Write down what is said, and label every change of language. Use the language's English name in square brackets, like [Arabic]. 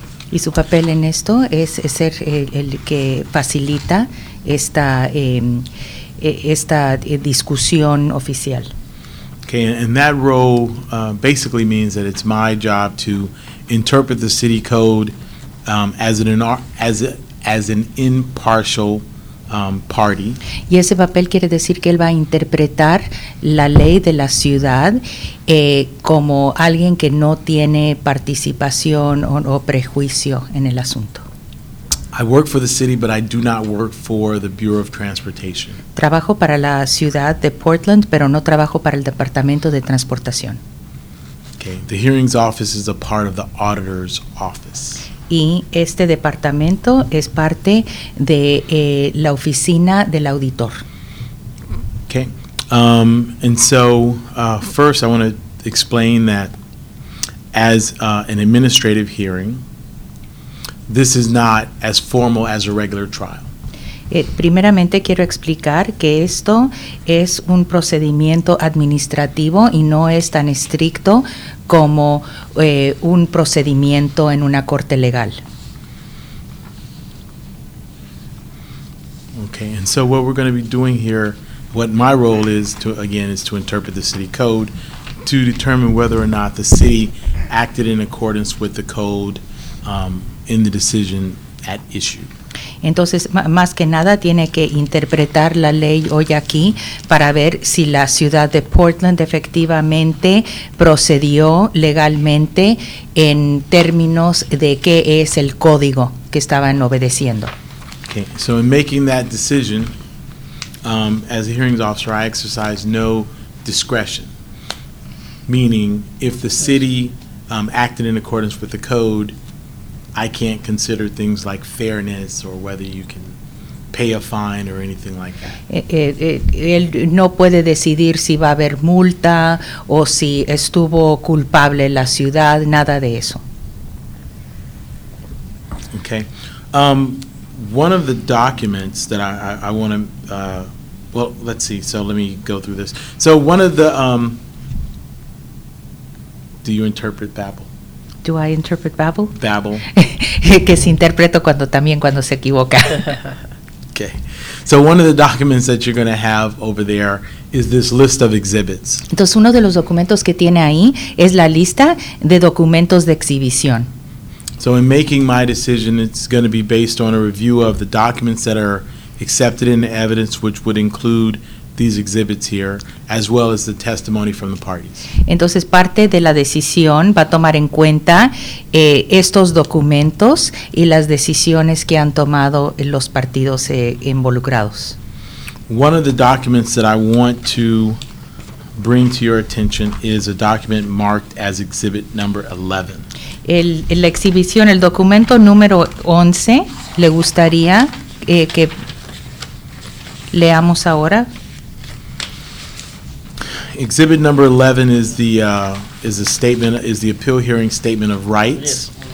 [Spanish] Y su papel en esto es ser el que facilita esta discusión oficial. [English] Okay, and that role basically means that it's my job to interpret the city code as an impartial party. [Spanish] Y ese papel quiere decir que él va a interpretar la ley de la ciudad como alguien que no tiene participación o prejuicio en el asunto. [English] I work for the city, but I do not work for the Bureau of Transportation. [Spanish] Trabajo para la ciudad de Portland, pero no trabajo para el Departamento de Transportación. [English] Okay, the hearings office is a part of the auditor's office. [Spanish] Y este departamento es parte de la oficina del auditor. [English] Okay, first I want to explain that as an administrative hearing, this is not as formal as a regular trial. [Spanish] Primeramente quiero explicar que esto es un procedimiento administrativo y no es tan estricto como un procedimiento en una corte legal. [English] Okay, and so what we're going to be doing here, what my role is to interpret the city code to determine whether or not the city acted in accordance with the code in the decision at issue. [Spanish] Entonces, más que nada, tiene que interpretar la ley hoy aquí para ver si la ciudad de Portland efectivamente procedió legalmente en términos de qué es el código que estaban obedeciendo. [English] Okay, so in making that decision, as a hearings officer, I exercise no discretion, meaning if the city acted in accordance with the code, I can't consider things like fairness or whether you can pay a fine or anything like that. [Spanish] Él no puede decidir si va a haber multa o si estuvo culpable la ciudad, nada de eso. [English] Okay. One of the documents that I want to, well, let's see. So let me go through this. So one of the, do you interpret Babel? Do I interpret Babel? Babel. [Spanish] Que se interpreto cuando también cuando se equivoca. [English] Okay. So one of the documents that you're going to have over there is this list of exhibits. [Spanish] Entonces uno de los documentos que tiene ahí es la lista de documentos de exhibición. [English] So in making my decision, it's going to be based on a review of the documents that are accepted in the evidence, which would include these exhibits here, as well as the testimony from the parties. [Spanish] Entonces, parte de la decisión va a tomar en cuenta estos documentos y las decisiones que han tomado los partidos involucrados. [English] One of the documents that I want to bring to your attention is a document marked as exhibit number 11. [Spanish] La exhibición, el documento número 11, le gustaría que leamos ahora. [English] Exhibit number 11 is the appeal hearing statement of rights.